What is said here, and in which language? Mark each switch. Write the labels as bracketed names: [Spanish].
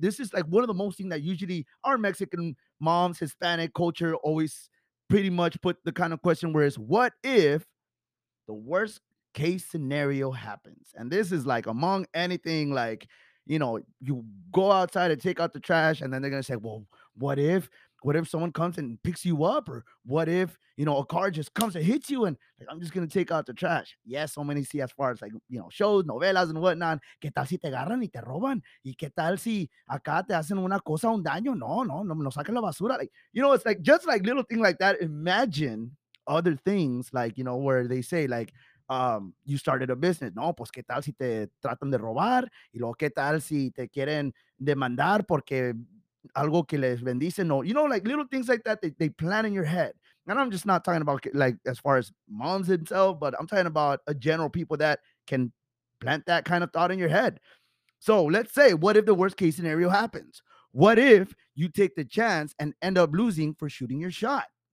[English] This is like one of the most things that usually our Mexican moms, Hispanic culture always pretty much put the kind of question where it's, what if the worst case scenario happens? And this is like among anything, like, you go outside and take out the trash, and then they're going to say, well, what if someone comes and picks you up? Or what if, a car just comes and hits you, and like, I'm just going to take out the trash. Yes, so many see as far as like, shows, novelas and whatnot. [Spanish] ¿Qué tal si te agarran y te roban? ¿Y qué tal si acá te hacen una cosa, un daño? No, me lo saquen la basura. [English] Like, it's like just like little thing like that. Imagine other things like, where they say like, you started a business. [Spanish] No, pues qué tal si te tratan de robar? Y luego qué tal si te quieren demandar porque algo que les vendiste? [English] No, like little things like that, they plan in your head. And I'm just not talking about like as far as moms themselves, but I'm talking about a general people that can plant that kind of thought in your head. So let's say, what if the worst case scenario happens? What if you take the chance and end up losing for shooting your shot?